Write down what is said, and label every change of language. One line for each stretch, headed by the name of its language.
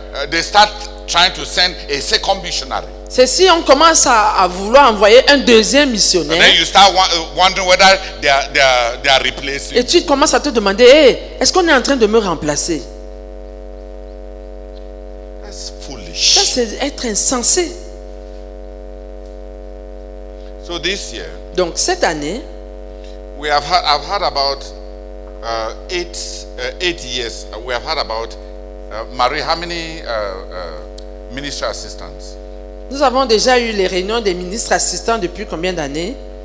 English: they start trying to send a second missionary.
French: C'est si on commence à vouloir envoyer un deuxième missionnaire.
English: And then you start wondering whether they are replacing.
French: Et tu commences à te demander, est-ce qu'on est en train de me remplacer?
English: That's foolish.
French: Ça c'est être insensé.
English: So this year.
French: Donc cette année,
English: I've heard about 8 years. We have heard about Marie, how many ministry assistants?
French: Nous avons déjà eu les réunions des ministres assistants depuis combien d'années?